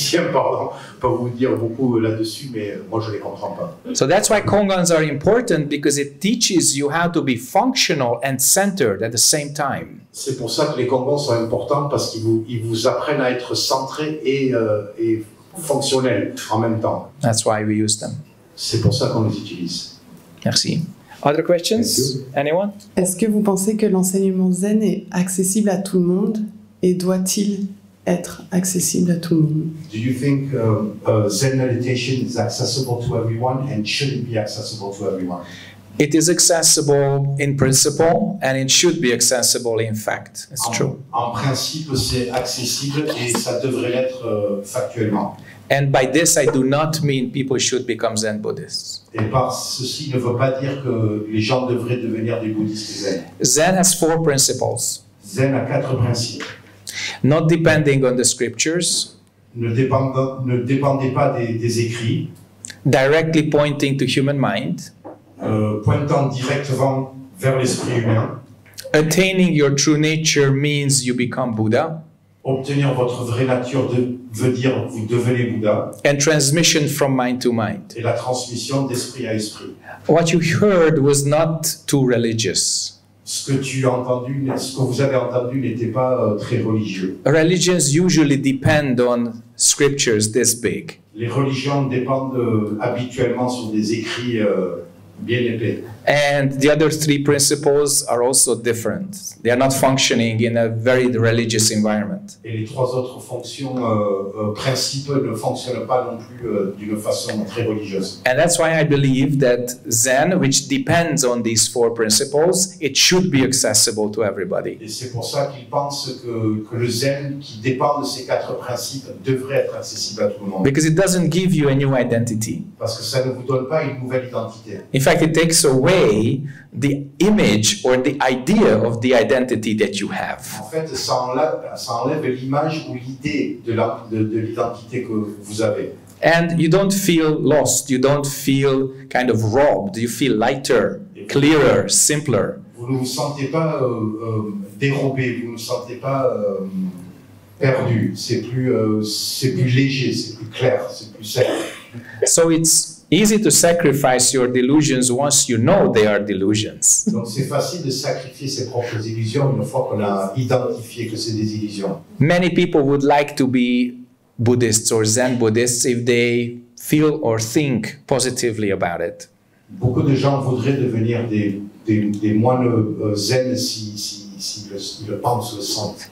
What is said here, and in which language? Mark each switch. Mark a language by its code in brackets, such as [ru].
[fr] Les physiciens peuvent vous dire beaucoup là-dessus, mais moi je les comprends pas. [en] So that's why Kongans are important, because it teaches you how to be functional and centered at the same time. [fr] C'est pour ça que les Kongans sont importants, parce qu'ils vous apprennent à être centré et fonctionnel en même temps. [en] That's why we use them. [fr] C'est pour ça qu'on les utilise. [en] Merci. Other questions? Anyone? [fr] Est-ce que vous pensez que l'enseignement zen est accessible à tout le monde et doit-il être accessible à tout le monde? [en] Do you think zen meditation is accessible to everyone and should it be accessible to everyone? It is accessible in principle and it should be accessible in fact. It's true. [fr] En principe, c'est accessible et ça devrait l'être factuellement. [en] And by this, I do not mean people should become Zen Buddhists. [fr] Et par ceci, ne veut pas dire que les gens devraient devenir des bouddhistes zen. [en] Zen has four principles. [fr] Zen a quatre principes. [en] Not depending on the scriptures. [fr] Ne dépendez pas des écrits. [en] Directly pointing to human mind. [fr] Pointant directement vers l'esprit humain. [en] Attaining your true nature means you become Buddha. [fr] Obtenir votre vraie nature veut dire vous devenez Bouddha. [en] And transmission from mind to mind. [fr] Et la transmission d'esprit à esprit. [en] What you heard was not too religious. [fr] Ce que vous avez entendu n'était pas très religieux. [en] Religions usually depend on scriptures this big. [fr] Les religions dépendent habituellement sur des écrits bien épais. [en] And the other three principles are also different. They are not functioning in a very religious environment. [fr] Et les trois autres fonctions principales ne fonctionnent pas non plus d'une façon très religieuse. [en] And that's why I believe that Zen, which depends on these four principles, it should be accessible to everybody. [fr] Et c'est pour ça qu'ils pensent que le Zen qui dépend de ces quatre principes devrait être accessible à tout le monde. [en] Because it doesn't give you a new identity. [fr] Parce que ça ne vous donne pas une nouvelle identité. [en] In fact, it takes away the image or the idea of the identity that you have. [fr] En fait, ça enlève l'image ou l'idée de l'identité que vous avez. [en] And you don't feel lost, you don't feel kind of robbed, you feel lighter, clearer, simpler. [fr] Vous ne vous sentez pas dérobé, vous ne vous sentez pas perdu, c'est plus léger, c'est plus clair, c'est plus simple. [en] So it's easy to sacrifice your delusions once you know they are delusions. [fr] Donc c'est facile de sacrifier ses propres illusions une fois qu'on a identifié que c'est des illusions. [en] Many people would like to be Buddhists or Zen Buddhists if they feel or think positively about it. [fr] Beaucoup de gens voudraient devenir des moines Zen si le pensent, le sentent.